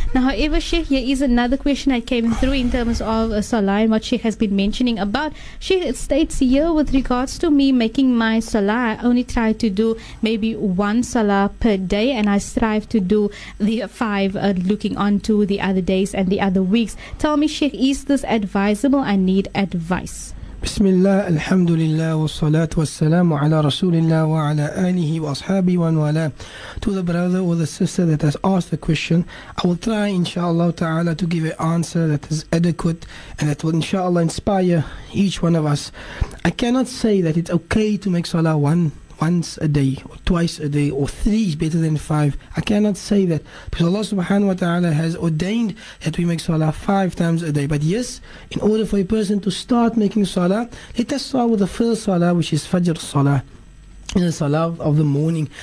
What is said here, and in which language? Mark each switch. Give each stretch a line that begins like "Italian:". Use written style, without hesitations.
English: Now however, Sheikh, here is another question that came through in terms of salah and what Sheikh has been mentioning about. Sheikh states here, with regards to me making my salah, I only try to do maybe 1 salah per day, and I strive to do the 5 looking on to the other days and the other weeks. Tell me, Sheikh, is this advisable? I need advice.
Arabic: بسم الله الحمد لله والصلاة والسلام على رسول الله وعلى آله وأصحابه ومن والاه.
English: To the brother or the sister that has asked the question, I will try inshallah ta'ala to give an answer that is adequate and that will inshallah inspire each one of us. I cannot say that it's okay to make salah once a day or twice a day or 3 is better than 5. I cannot say that, because Allah subhanahu wa ta'ala has ordained that we make salah 5 times a day. But yes, in order for a person to start making salah, let us start with the first salah, which is Fajr salah, the salah of the morning.